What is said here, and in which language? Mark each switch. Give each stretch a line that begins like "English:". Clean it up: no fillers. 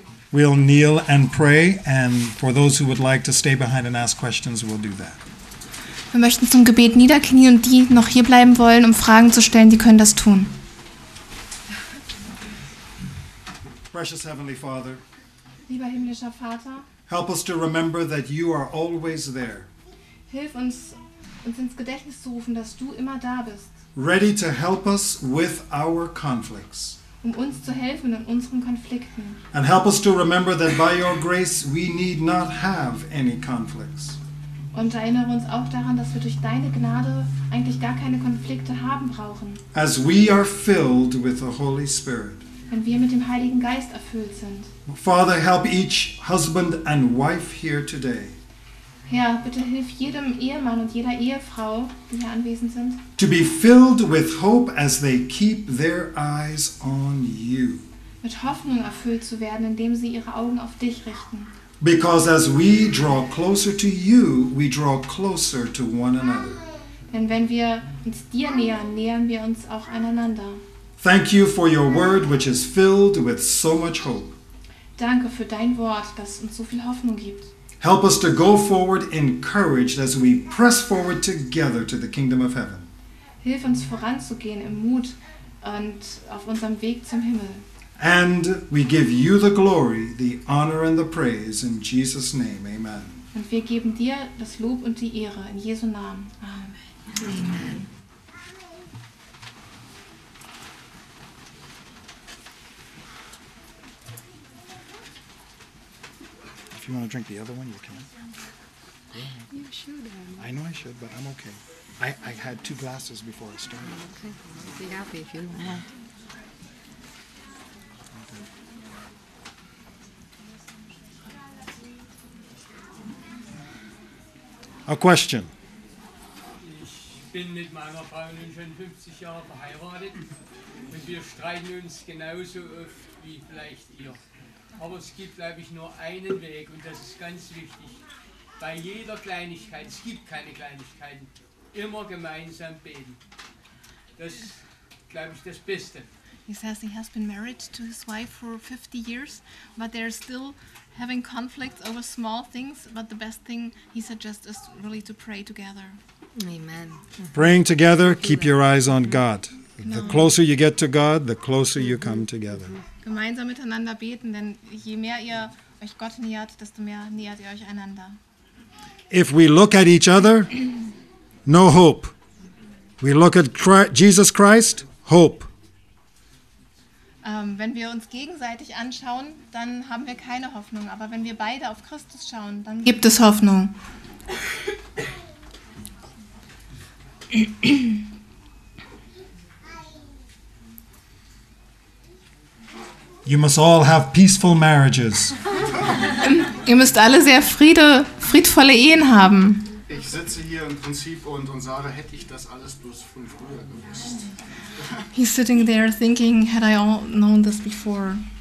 English: We'll kneel and pray, and for those who would like to stay behind and ask questions, we'll do that.
German: Wir möchten zum Gebet niederknien und die noch hier bleiben wollen, um Fragen zu stellen, die können das tun.
English: Precious Heavenly Father,
German: lieber himmlischer Vater,
English: help us to remember that you are always there.
German: Hilf uns, uns ins Gedächtnis zu rufen, dass du immer da bist.
English: Ready to help us with our conflicts.
German: Um uns zu helfen in unseren Konflikten.
English: And help us to remember that by your grace we need not have any conflicts.
German: Und erinnere uns auch daran, dass wir durch deine Gnade eigentlich gar keine Konflikte haben brauchen.
English: As we are filled with the Holy Spirit.
German: Wenn wir mit dem Heiligen Geist erfüllt sind.
English: Father, help each husband and wife here today.
German: Herr, bitte hilf jedem Ehemann und jeder Ehefrau, die hier anwesend sind.
English: To be filled with hope as they keep their eyes on you.
German: Mit Hoffnung erfüllt zu werden, indem sie ihre Augen auf dich richten.
English: Because as we draw closer to you, we draw closer to one another.
German: Denn wenn wir uns dir nähern, nähern wir uns auch aneinander.
English: Thank you for your word, which is filled with so much hope.
German: Danke für dein Wort, das uns so viel Hoffnung gibt.
English: Help us to go forward encouraged as we press forward together to the kingdom of heaven.
German: Hilf uns voranzugehen im Mut und auf unserem Weg zum Himmel.
English: And we give you the glory, the honor and the praise in Jesus' name. Amen.
German: Und wir geben dir das Lob und die Ehre in Jesu Namen.
English: Amen. Amen. You want to drink the other one? You can. You should. I know I should, but I'm okay. I had two glasses before I started. Okay. Be happy if you want. A question.
German: Ich bin mit meiner Frau nun schon 50 Jahre verheiratet und wir streiten uns genauso oft wie vielleicht ihr. Aber es gibt, glaube ich, nur einen Weg, und das ist ganz wichtig. Bei jeder Kleinigkeit, es gibt keine Kleinigkeiten, immer gemeinsam beten. Das ist, glaube ich, das Beste.
English: He says he has been married to his wife for 50 years, but they're still having conflicts over small things, but the best thing he suggests is really to pray together. Amen. Praying together, keep your eyes on God. The closer you get to God, the closer you come together.
German: Gemeinsam miteinander beten, denn je mehr ihr euch Gott nähert, desto mehr nähert ihr euch einander.
English: If we look at each other, no hope. We look at Jesus Christ, hope.
German: Wenn wir uns gegenseitig anschauen, dann haben wir keine Hoffnung. Aber wenn wir beide auf Christus schauen, dann gibt es Hoffnung.
English: You must all have peaceful marriages.
German: Ihr müsst alle sehr friedvolle Ehen haben. Ich sitze hier im Prinzip und sage, hätte ich das alles bloß früher gewusst.
English: He's sitting there thinking, had I all known this before.